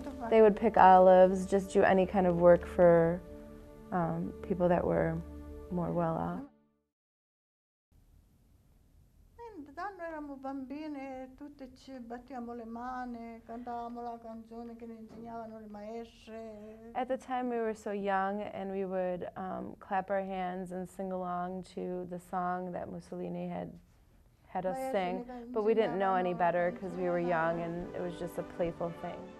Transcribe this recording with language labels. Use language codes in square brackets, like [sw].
[en] They would pick olives, just do any kind of work for people that were more well off. [it] Quando eravamo bambine tutte ci battiamo le mani, cantavamo la canzone che ne insegnavano le maestre. [en] At the time we were so young and we would clap our hands and sing along to the song that Mussolini had us sing, but we didn't know any better because we were young and it was just a playful thing.